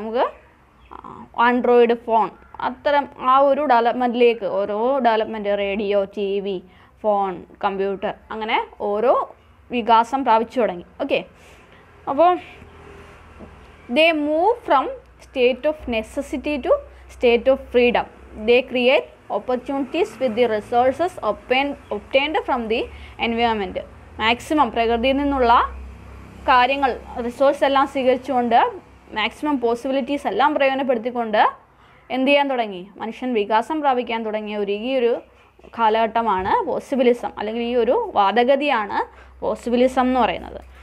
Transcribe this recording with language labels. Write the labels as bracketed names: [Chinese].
[Malayalam] നമുക്ക് Android phone, അത്തരം ആ ഒരു ഡെവലപ്മെൻറ്റിലേക്ക്, ഓരോ development, radio, T V, phone, computer, അങ്ങനെ ഓരോ വികാസം പ്രാപിച്ചു തുടങ്ങി. [English] Okay, അപ്പോൾ they move from state of necessity to state of freedom. they create opportunities with the resources obtained from the environment. [Malayalam] Maximum പ്രകൃതിയിൽ നിന്നുള്ള കാര്യങ്ങൾ റിസോഴ്സ് എല്ലാം സ്വീകരിച്ചുകൊണ്ട് മാക്സിമം പോസിബിലിറ്റീസ് എല്ലാം പ്രയോജനപ്പെടുത്തിക്കൊണ്ട് എന്ത് ചെയ്യാൻ തുടങ്ങി, മനുഷ്യൻ വികാസം പ്രാപിക്കാൻ തുടങ്ങിയ ഒരു ഈ ഒരു കാലഘട്ടമാണ് പോസിബിലിസം, അല്ലെങ്കിൽ ഈ ഒരു വാദഗതിയാണ് പോസിബിലിസം എന്ന് പറയുന്നത്.